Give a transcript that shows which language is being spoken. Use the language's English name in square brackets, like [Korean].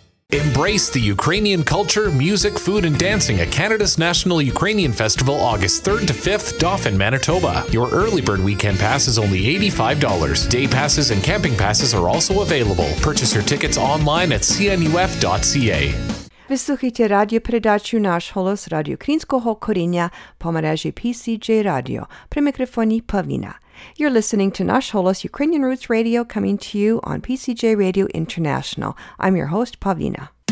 [English] Embrace the Ukrainian culture, music, food, and dancing at Canada's National Ukrainian Festival, August 3rd to 5th, Dauphin, Manitoba. Your early bird weekend pass is only $85. Day passes and camping passes are also available. Purchase your tickets online at cnuf.ca. [Ukrainian] Ви слухаєте радіопередачу «Наш голос» Радіо Українського коріння по мережі PCJ Radio. При мікрофоні Павлина. [English] You're listening to «Наш голос» Ukrainian Roots Radio coming to you on PCJ Radio International. I'm your host, Павлина.